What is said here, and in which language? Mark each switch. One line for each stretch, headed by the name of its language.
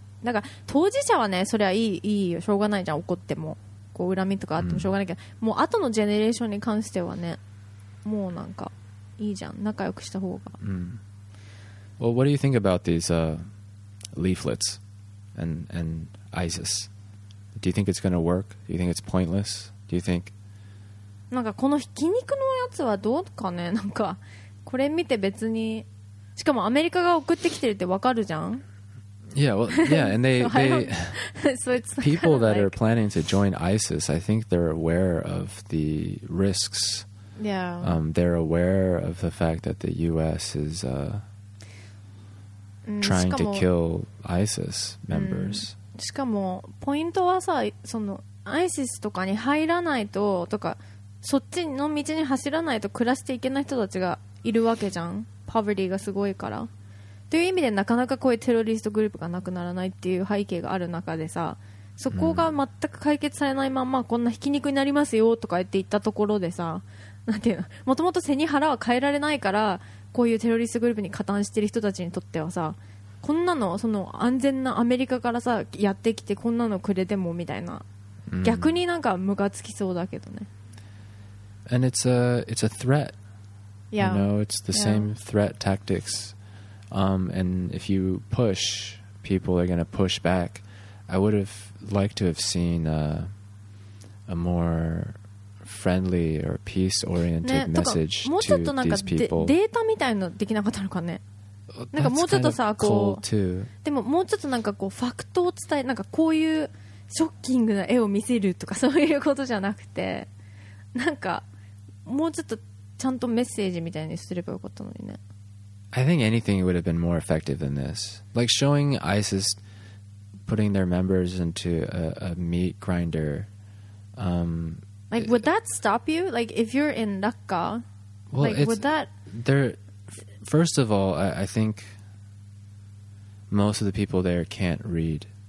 Japanese: なんか当事者はね、それはいいよ、しょうがないじゃん、怒ってもこう恨みとかあってもしょうがないけど、もう後のジェネレーションに関してはね、もうなんかいいじゃん、仲良くした方が。
English: Well, what do you think about these leaflets and ISIS? Do you think it's going to work? Do you think it's pointless? Do you think?
Japanese: なんかこのひき肉のやつはどうかね、なんかこれ見て別に、しかもアメリカが送ってきてるってわかるじゃん。
English: Yeah, well, yeah, and they so it's people that like, are planning to join ISIS, I think they're aware of the risks. Yeah. They're aware of the fact that the U.S. is trying to kill ISIS members.
Japanese: しかもポイントはさ、その ISIS とかに入らないと、とかそっちの道に走らないと暮らしていけない人たちがいるわけじゃん。 Poverty がすごいから。という意味でなかなかこういうテロリストグループがなくならないっていう背景がある中でさ、そこが全く解決されないままこんなひき肉になりますよとか言って言ったところでさ、なんていうの、もともと背に腹は変えられないから、こういうテロリストグループに加担してる人たちにとってはさ、こんなのその安全なアメリカからさやってきてこんなのくれてもみたいな、逆になんかムカつきそうだけどね。
English: And it's a threat. Yeah. You know, it's the same threat tacticsand if you push, people are going to push back. I would have liked to have seen a more friendly or peace-oriented message to these people.
Japanese: もうちょっとなんかデータみたいなのできなかったのかね。なんかもうちょっとさ、こう、でももうちょっとなんかこうファクトを伝え、なんかこういうショッキングな絵を見せるとかそういうことじゃなくて、なんかもうちょっとちゃんとメッセージみたいにすればよかったのにね。
English: I think anything would have been more effective than this. Like showing ISIS putting their members into a meat grinder. Like, would that stop you? Like, if you're in Raqqa, well, like, would that... First of all, I think most of the people there can't read.